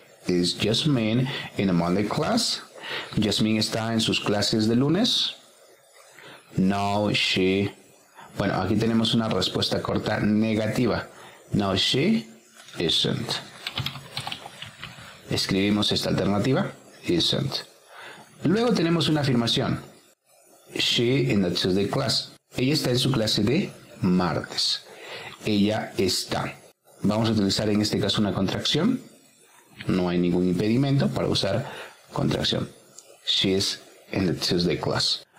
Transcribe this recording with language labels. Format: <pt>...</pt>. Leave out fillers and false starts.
<en>Is Jasmine in a Monday class?</en> <es>¿Jasmine está en sus clases de lunes?</es> <en>No, she.</en> <es>Bueno, aquí tenemos una respuesta corta negativa.</es> <en>No, she isn't.</en> <es>Escribimos esta alternativa, isn't. Luego tenemos una afirmación.</es> <en>She in the Tuesday class.</en> <es>Ella está en su clase de martes. Ella está. Vamos a utilizar en este caso una contracción. No hay ningún impedimento para usar contracción.</es> <en>She is in the Tuesday class.</en>